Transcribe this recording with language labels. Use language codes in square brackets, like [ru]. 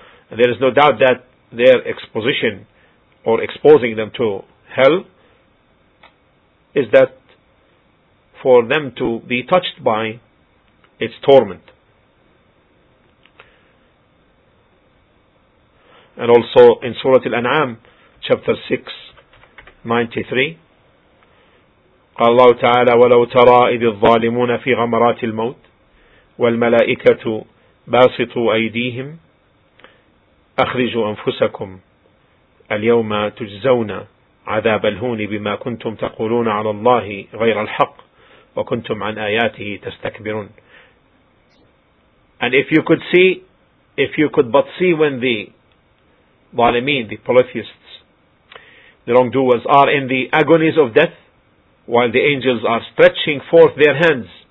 [en] And there is no doubt that their exposition or exposing them to hell is that for them to be touched by its torment. And also in Surah Al-An'am, chapter 6, 93, [ar] قال الله تعالى وَلَوْ تَرَى إِذِ الظَّالِمُونَ فِي غَمَرَاتِ الْمَوْتِ وَالْمَلَائِكَةُ بَاسِطُوا أَيْدِيهِمْ أَخْرِجُوا أَنفُسَكُمْ اليوم تجزون عذاب الهون بما كنتم تقولون على الله غير الحق وكنتم عن آياته تستكبرون. [en] And if you could but see when the ظالمين, the polytheists, the wrongdoers are in the agonies of death, while the angels are stretching forth their hands,